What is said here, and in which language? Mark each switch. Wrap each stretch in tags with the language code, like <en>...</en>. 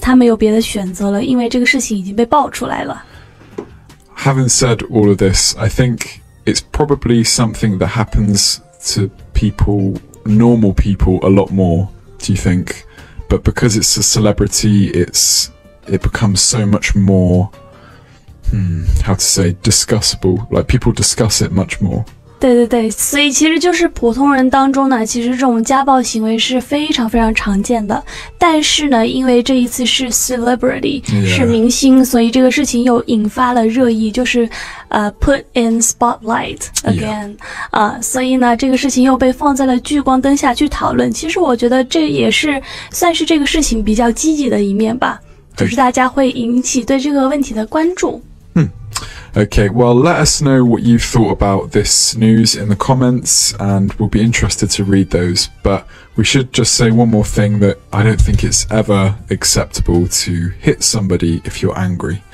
<zh>他没有别的选择了，因为这个事情已经被爆出来了。</zh> <en>Having said all of this, I think... It's probably something that happens to people, normal people, a lot more, do you think? But because it's a celebrity, it becomes so much more, how to say, discussable. Like, people discuss it much more.</en> <zh>对对对，所以其实就是普通人当中呢，其实这种家暴行为是非常非常常见的。但是呢，因为这一次是 celebrity,、是明星，所以这个事情又引发了热议，就是</zh> <en>put in spotlight again. Yeah.</en> <zh>所以呢，这个事情又被放在了聚光灯下去讨论。其实我觉得这也是算是这个事情比较积极的一面吧，就是大家会引起对这个问题的关注。</zh> <en>Okay, well, let us know what you thought about this news in the comments, and we'll be interested to read those. But we should just say one more thing that I don't think it's ever acceptable to hit somebody if you're angry.</en>